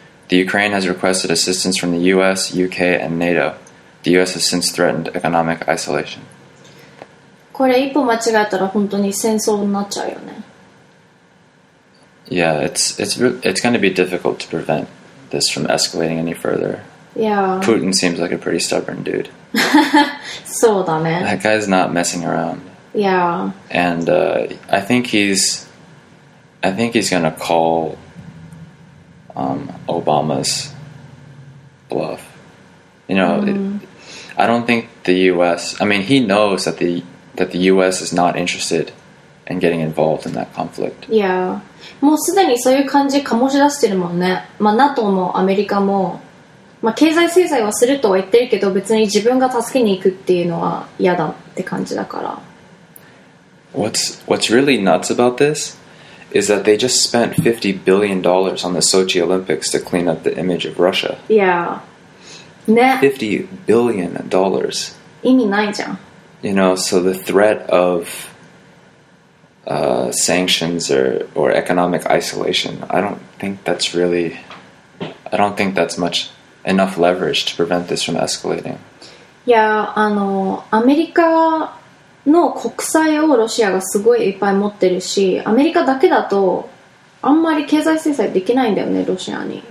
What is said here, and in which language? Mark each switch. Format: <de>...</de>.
<en>The Ukraine has requested assistance from the US, UK, and NATO. The US has since threatened economic isolation.</en> <ja>これ一歩間違えたら本当に戦争になっちゃうよね。</ja> <en>Yeah, it's going to be difficult to prevent this from escalating any further. Yeah. Putin seems like a pretty stubborn dude.</en> <ja>そうだね。</ja> <en>That guy's not messing around. Yeah. And、I think he's going to call、Obama's bluff. You know,、I don't think the US, I mean, he knows that the U.S. is not interested in getting involved in that conflict. Yeah.</en> <ja>もうすでにそういう感じ醸し出してるもんね。まあ、NATO もアメリカも、まあ、経済制裁はするとは言ってるけど、別に自分が助けに行くっていうのは嫌だって感じだから。</ja> <en>What's really nuts about this is that they just spent $50 billion on the Sochi Olympics to clean up the image of Russia. Yeah.</en> <ja>ね。</ja> <en>$50 billion.</en> <ja>意味ないじゃん。</ja> <en>You know, so the threat of sanctions or economic isolation, I don't think that's much enough leverage to prevent this from escalating.</en> <ja>Yeah, アメリカの国債をロシアがすごいいっぱい持ってるし、アメリカだけだとあんまり経済制裁できないんだよね、ロシアに。</ja>